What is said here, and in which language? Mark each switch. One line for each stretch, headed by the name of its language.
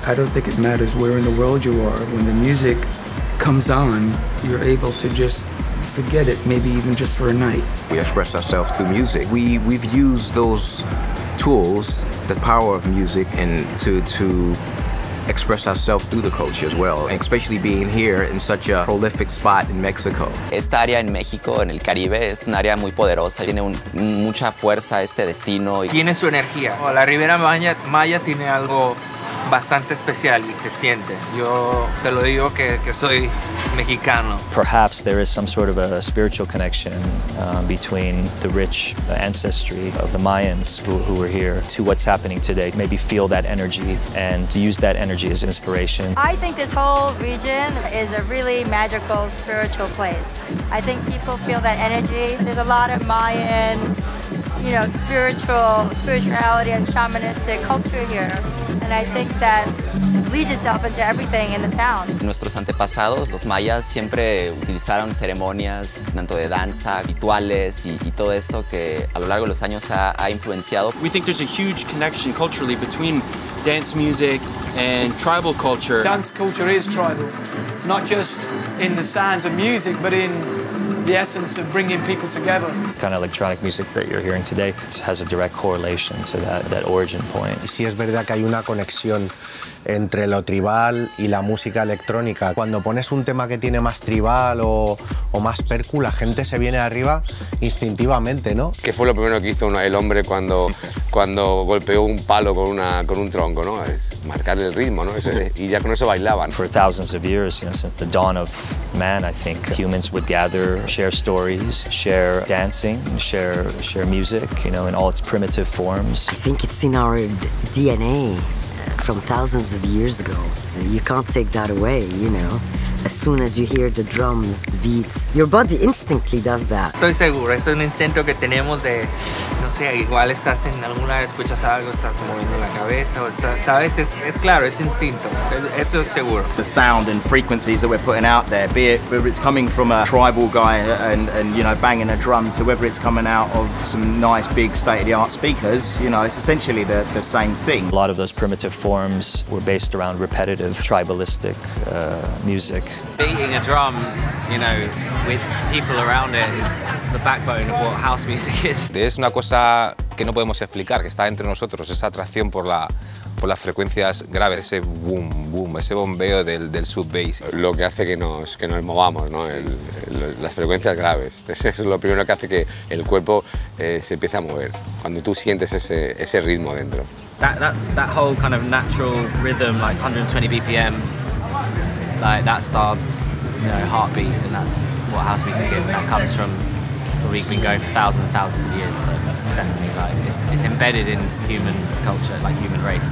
English: I don't think it matters where in the world you are. When the music comes on, you're able to just forget it, maybe even just for a night. We express ourselves through music. We've used those tools, the power of music, and to express ourselves through the culture as well, and especially being here in such a prolific spot in Mexico.
Spanish: Esta área en México, en el Caribe, es un área muy poderosa. Tiene mucha fuerza este destino. Tiene su energía. La Riviera Maya tiene algo bastante especial y se siente. Yo te lo digo que soy mexicano.
English: Perhaps there is some sort of a spiritual connection between the rich ancestry of the Mayans who were here to what's happening today. Maybe feel that energy and use that energy as inspiration. I think this whole region is a really magical spiritual place. I think people feel that energy. There's a lot of Mayan, you know, spirituality and shamanistic culture here. And I think that leads itself into everything in the town.
Spanish: Nuestros antepasados, los mayas, siempre utilizaron ceremonias tanto de danza, rituales y todo esto que a lo largo de los años ha influenciado.
English: We think there's a huge connection culturally between dance music and tribal culture. Dance culture is tribal, not just in the sounds of music, but in the essence of bringing people together. The kind of electronic music that you're hearing today has a direct correlation to that origin point.
Spanish: Y sí es verdad que hay una conexión entre lo tribal y la música electrónica. Cuando pones un tema que tiene más tribal o más percu, la gente se viene arriba instintivamente, ¿no? ¿Qué fue lo primero que hizo el hombre cuando golpeó un palo con un tronco, ¿no? Es marcar el ritmo, ¿no? Y ya con eso bailaban.
English: For thousands of years, you know, since the dawn of man, I think humans would gather, share stories, share dancing, share music, you know, in all its primitive forms. I think it's in our DNA. From thousands of years ago. You can't take that away, you know. As soon as you hear the drums, the beats, your body instantly does that.
Spanish: Estoy seguro, es un instinto que tenemos de, no sé, igual estás en alguna vez, escuchas algo, estás moviendo la cabeza, o estás, ¿sabes? Es claro, es instinto, eso es seguro.
English: The sound and frequencies that we're putting out there, whether it's coming from a tribal guy and you know, banging a drum, to whether it's coming out of some nice big state-of-the-art speakers, you know, it's essentially the same thing. A lot of those primitive forms were based around repetitive, tribalistic music. Beating a drum, you know, with people around it is the backbone of what house music is.
Spanish: Es una cosa que no podemos explicar, que está entre nosotros, esa atracción por las frecuencias graves, ese boom, boom, ese bombeo del sub-bass. Lo que hace que nos movamos, ¿no? Las frecuencias graves. Eso es lo primero que hace que el cuerpo se empiece a mover, cuando tú sientes ese ritmo dentro.
English: That whole kind of natural rhythm, like 120 BPM, like that's our, you know, heartbeat, and that's what house music is, and that comes from where we've been going for thousands and thousands of years. So it's definitely like it's embedded in human culture, like human race.